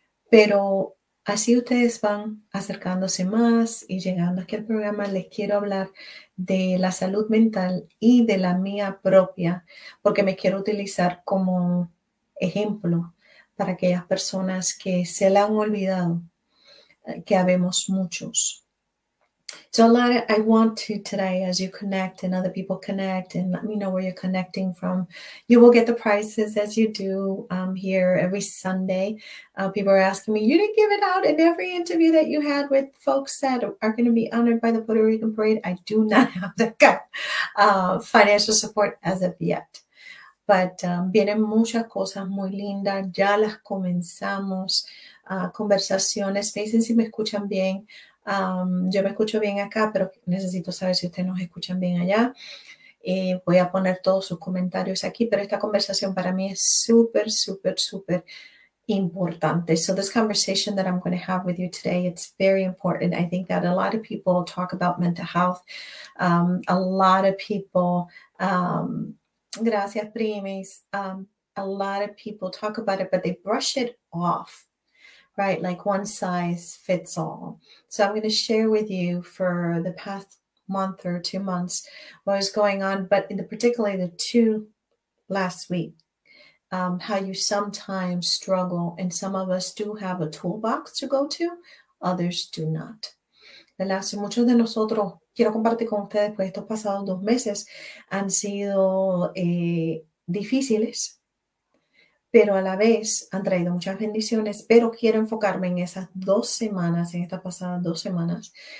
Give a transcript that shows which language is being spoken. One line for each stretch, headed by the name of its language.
Spanish: Pero así ustedes van acercándose más y llegando aquí al programa, les quiero hablar de la salud mental y de la mía propia, porque me quiero utilizar como ejemplo para aquellas personas que se la han olvidado, que habemos muchos.
English: So, Lara, I want to today, as you connect and other people connect, and let me know where you're connecting from. You will get the prizes as you do here every Sunday. People are asking me, you didn't give it out in every interview that you had with folks that are going to be honored by the Puerto Rican Parade. I do not have that financial support as of yet.
Spanish: But vienen muchas cosas muy lindas. Ya las comenzamos. Conversaciones. Me dicen si me escuchan bien. Yo me escucho bien acá, pero necesito saber si ustedes nos escuchan bien allá. Voy a poner todos sus comentarios aquí, pero esta conversación para mí es súper, súper, súper importante.
English: So this conversation that I'm going to have with you today, it's very important. I think that a lot of people talk about mental health. A lot of people,
Spanish: gracias, primis.
English: A lot of people talk about it, but they brush it off. Right, like one size fits all. So I'm going to share with you for the past month or 2 months what is going on, but in the particularly the two last week, how you sometimes struggle, and some of us do have a toolbox to go to, others do not.
Spanish: Las muchos de nosotros quiero compartir con ustedes pues estos pasados 2 meses han sido difíciles. Pero a la vez han traído muchas bendiciones, pero quiero enfocarme en esas 2 semanas, en estas pasadas 2 semanas.